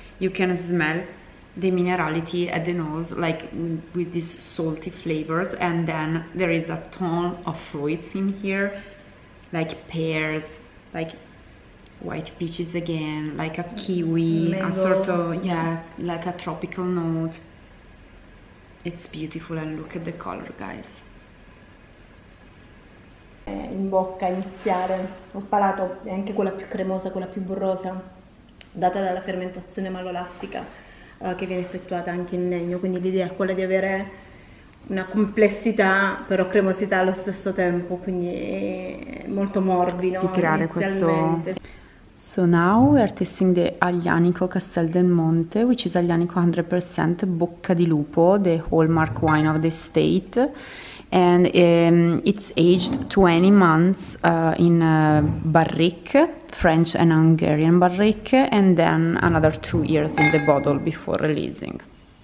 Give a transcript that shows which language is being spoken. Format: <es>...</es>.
<en>You can smell the minerality at the nose, like with these salty flavors, and then there is a ton of fruits in here, like pears, like white peaches again, like a kiwi, mango. A sort of, yeah, like a tropical note. It's beautiful, and look at the color, guys.</en> <it>In bocca iniziare, ho palato anche quella più cremosa, quella più burrosa, data dalla fermentazione malolattica. Che viene effettuata anche in legno, quindi l'idea è quella di avere una complessità però cremosità allo stesso tempo, quindi molto morbido inizialmente. Questo...</it> <en>So now we are tasting the Aglianico Castel del Monte, which is Aglianico 100% Bocca di Lupo, the hallmark wine of the state, and it's aged 20 months in barrique, French and Hungarian barrique, and then another 2 years in the bottle before releasing.</en>